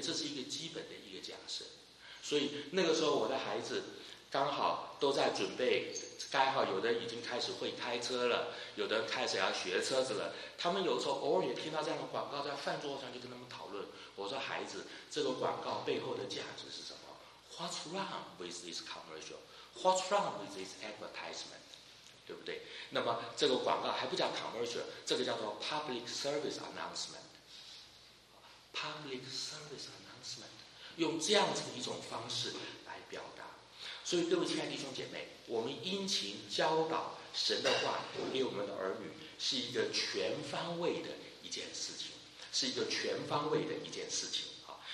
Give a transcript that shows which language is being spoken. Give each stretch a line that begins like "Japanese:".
Chinese: 这是一个基本的一个假设。所以那个时候我的孩子刚好都在准备，刚好有的已经开始会开车了，有的开始要学车子了，他们有时候偶尔也听到这样的广告，在饭桌上就跟他们讨论，我说孩子，这个广告背后的价值是什么？
English: What's wrong with this commercial? What's wrong with this advertisement?
Chinese: 对不对？那么这个广告还不叫 commercial， 这个叫做 public service announcement， public service announcement， 用这样子一种方式来表达。所以各位亲爱的弟兄姐妹，我们殷勤教导神的话给我们的儿女是一个全方位的一件事情，是一个全方位的一件事情啊。